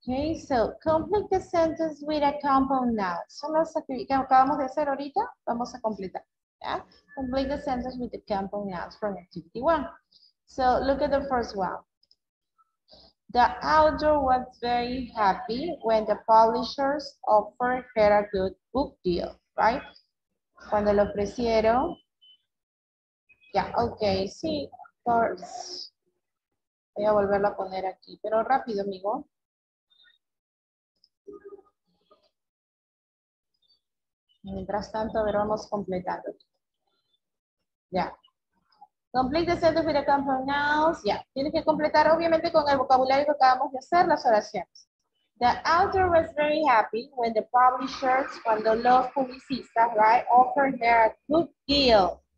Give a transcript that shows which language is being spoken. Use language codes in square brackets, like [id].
[en] Okay, so complete the sentence with a compound noun. [es] Son las actividades que acabamos de hacer ahorita, vamos a completar. [en] Yeah? Complete the sentence with the compound nouns from activity one. So look at the first one. The author was very happy when the publishers offered her a good book deal, right? [es] Cuando lo ofrecieron. [en] Yeah, okay, [es] sí, [en] of course. [es] Voy a volverlo a poner aquí, pero rápido, amigo. Mientras tanto, a ver, vamos completando. Yeah. [en] Complete the sentence with a compound nouns. Yeah. [es] Tienes que completar, obviamente, con el vocabulario que acabamos de hacer, las oraciones. [en] The author was very happy when the publishers, [es] cuando los publicistas, [en] right, offered her a good deal.